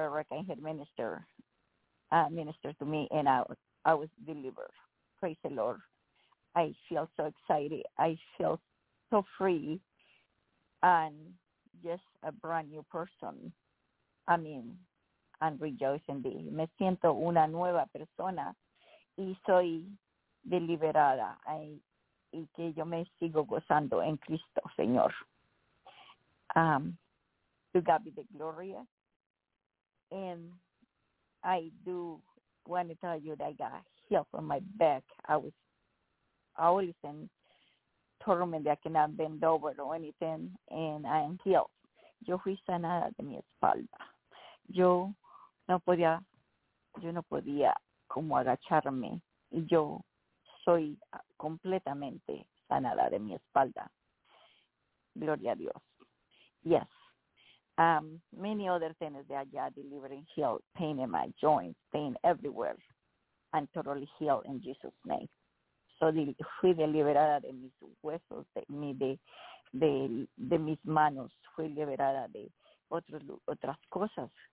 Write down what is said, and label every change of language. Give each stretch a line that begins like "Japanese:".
English: Erica and her minister, minister to me, and I was delivered. Praise the Lord. I feel so excited. I feel so free and just a brand new person. I mean, and rejoicing me.
Spanish: Me siento una nueva persona y soy deliberada y que yo me sigo gozando en Cristo, Señor.
English: To God be the glory. And I do want to tell you that I got healed from my back. I was always in torment that I cannot bend over or anything, and I am healed.
Spanish: Yo fui sanada de mi espalda. Yo no podía como agacharme y yo soy completamente sanada de mi espalda. Gloria a Dios. Yes.
English: Many other things that I got delivered and healed, pain in my joints, pain everywhere. I'm totally healed in Jesus' name.
Spanish: So fui liberada de mis huesos, de mis manos, fui liberada de otras cosas.